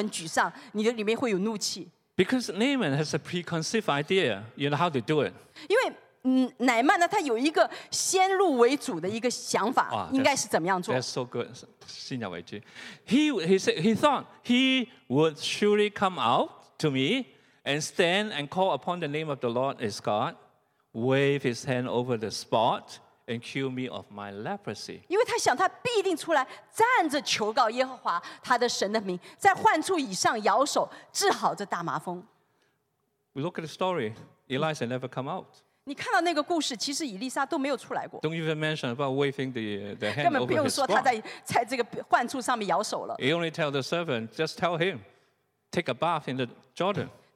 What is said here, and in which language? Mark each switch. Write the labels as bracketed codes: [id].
[zh] 当你的期待和你最后所得到当中有一个距离的时候呢，你常常就很沮丧，你的里面会有怒气. [en] Because Naaman has a preconceived idea, you know how to do it. [zh] 因为乃曼呢，他有一个先入为主的一个想法，应该是怎么样做。 [en] That's so good, [zh] 信仰危机. [en] He thought he would surely come out to me and stand and call upon the name of the Lord his God. Wave his hand over the spot and cure me of my leprosy. [zh] 因为他想他必定出来站着求告耶和华他的神的名，在患处以上摇手治好这大麻风. [en] We look at the story. Elisha never come out. [zh] 你看到那个故事，其实以利沙都没有出来过. [en] Don't even mention about waving the hand over the spot. [zh] 根本不用说他在这个患处上面摇手了. [en] He only tell the servant, just tell him, take a bath in the Jordan.